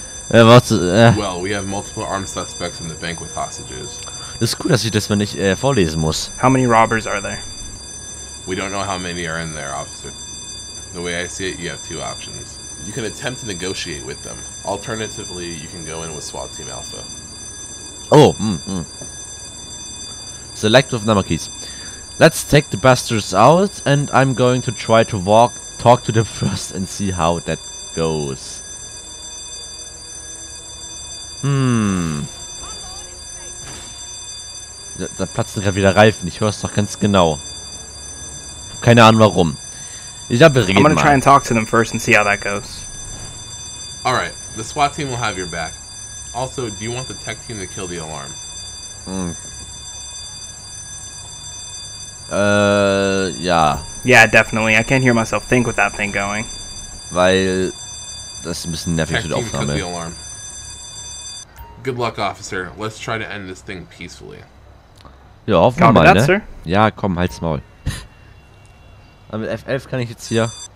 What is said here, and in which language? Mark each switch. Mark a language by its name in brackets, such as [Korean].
[English] Well, we have multiple armed suspects in the bank with hostages. [German] Es ist cool, dass ich das mal nicht vorlesen muss. [English] How many robbers are there? We don't know how many are in there, officer. The way I see it, you have two options. You can attempt to negotiate with them. Alternatively, you can go in with SWAT Team Alpha. Oh, Select with number keys. Let's take the bastards out, and I'm going to try to talk to them first and see how that goes. [German] Da platzen gerade wieder Reifen, ich höre es doch ganz genau. Keine Ahnung warum. Ich glaube, wir reden mal. [English] I'm gonna try and talk to them first and see how that goes. Alright, the SWAT team will have your back. Also, do you want the tech team to kill the alarm? Yeah. Yeah, definitely. I can't hear myself think with that thing going. [German] Weil das ist ein bisschen nervig für die Aufnahme. [English] Cut the alarm. Good luck, officer. Let's try to end this thing peacefully. [German] Ja, hoffen wir mal, ne? Sir? Ja, komm, halt's Maul. Aber mit F11 kann ich jetzt hier...